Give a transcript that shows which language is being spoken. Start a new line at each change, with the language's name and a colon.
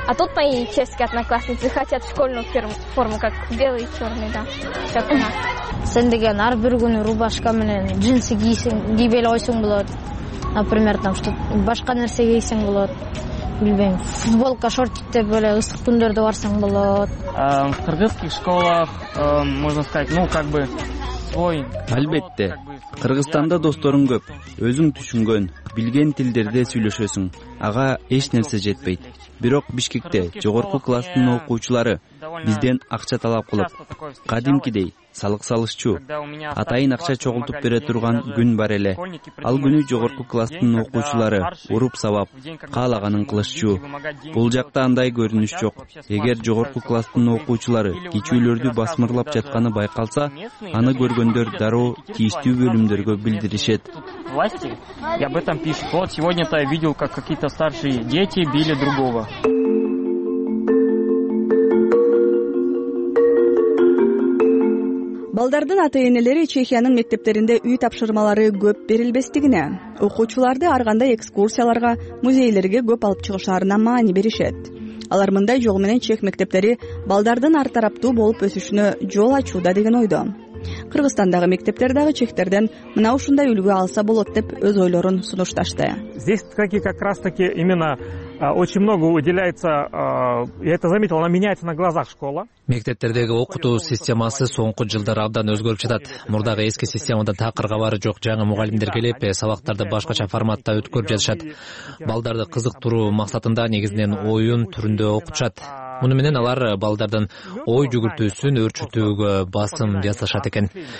Russian: А тут мои чешские одноклассницы хотят школьную форму, как белый и черный, да, как у нас.
Kyrgyz: Сен деген ар бир күнү рубашка менен джинсы кийсең, кийбей эле койсоң болот.
Russian: Например, там что-то
Kyrgyz: башка нерсе кийсең болот. Билбейм, футболка, шортик деп эле ысык күндөрдө барсаң болот.
Russian: В кыргызских школах, можно сказать, ну, как бы
Kyrgyz: Албетте, Кыргызстанда досторуң көп, өзүң түшүнгөн, билген тилдерде сүйлөшөсүң. Ага эч нерсе жетпейт. Бирок Бишкекте жогорку класстын окуучулары бизден акча талап кылып, кадимкидей салык салышчу, атайын акча чогултуп бере турган күн бар эле. Ал күнү жогорку класстын окуучулары уруп сабап, каалаганын кылышчу. Бул жакта андай көрүнүш жок. Эгер жогорку класстын окуучулары кичүүлөрдү басмырлап жатканы байкалса, аны көргөндөр дароо тийиштүү бөлүмдөргө билдиришет.
Russian: Власти, я об этом пишу. Вот сегодня-то я видел, как какие-то старшие дети били другого.
Kyrgyz: Балдардын ата-энелери Чехиянын мектептеринде үй тапшырмалары көп берилбестигине, окуучуларды ар кандай экскурсияларга, музейлерге көп алып чыгышарына маани беришет. Алар мындай жол менен чех мектептери балдардын ар тараптуу болуп өсүшүнө жол ачууда деген ойдо. Кыргызстандагы мектептердеги чехтерден мына ушундай үлгү алса болот деп өз ойлорун сунушташты.
Russian: Здесь как раз таки именно очень много уделяется, я это заметил, она меняется на глазах школа.
Kyrgyz: Мектептердеги окутуу системасы соңку жылдар абдан өзгөрүп жатат. Мурдагы эски системада такыр кабары жок, жаңы мугалимдер келип, сабактарды башкача форматта өткөрүп жатышат. Балдарды кызыктыруу максатында негизинен оюн түрүндө окутушат. Муну менен алар балдардын ой жүгүртүүсүн өрчүтүүгө басым жасашат экен.